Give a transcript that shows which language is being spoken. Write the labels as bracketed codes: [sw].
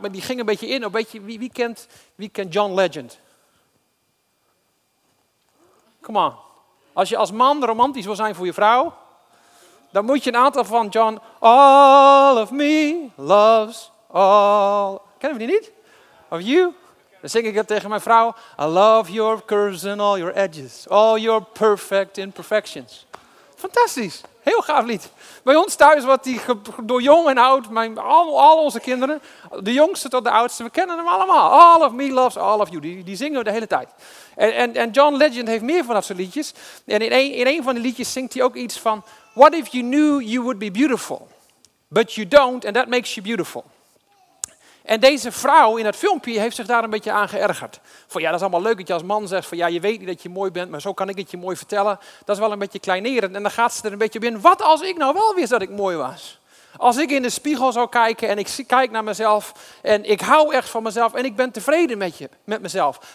[nl] Maar die ging een beetje in op, weet je, wie kent John Legend? [en] Come on. [nl] Als je als man romantisch wil zijn voor je vrouw, dan moet je een aantal van John, [en] all of me loves all. [nl] Kennen we die niet? [en] Of you? [nl] Dan zing ik het tegen mijn vrouw. [en] I love your curves and all your edges. All your perfect imperfections. [nl] Fantastisch. Heel gaaf lied. Bij ons thuis wat die door jong en oud. Al onze kinderen. De jongste tot de oudste. We kennen hem allemaal. [en] All of me loves all of you. [nl] Die zingen we de hele tijd. En John Legend heeft meer van dat soort liedjes. En in een van de liedjes zingt hij ook iets van. [en] What if you knew you would be beautiful. But you don't and that makes you beautiful. [nl] En deze vrouw in dat filmpje heeft zich daar een beetje aan geërgerd. Van ja, dat is allemaal leuk dat je als man zegt van ja, je weet niet dat je mooi bent, maar zo kan ik het je mooi vertellen. Dat is wel een beetje kleinerend. En dan gaat ze er een beetje op in. Wat als ik nou wel wist dat ik mooi was? Als ik in de spiegel zou kijken en ik kijk naar mezelf en ik hou echt van mezelf en ik ben tevreden met mezelf.